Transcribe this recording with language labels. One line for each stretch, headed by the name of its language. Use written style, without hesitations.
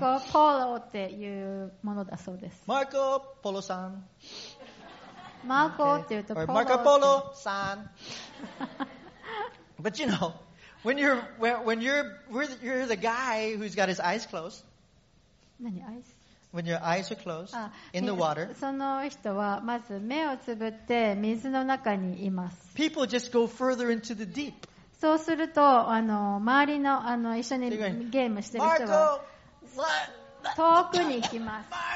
Japanese: Marco Polo っていうものだそうです。 Marco Polo さん。マーコーって言うとマーカポロさん。
English: But you know, when you're the guy who's got his eyes closed.
Japanese: 何
English: eyes? When your eyes are closed in the water.
Japanese: その人はまず目をつぶって水の中にいます。
English: People just go further into the deep.
Japanese: そうすると、周りの、一緒にゲームしてる人は、遠くに行きます。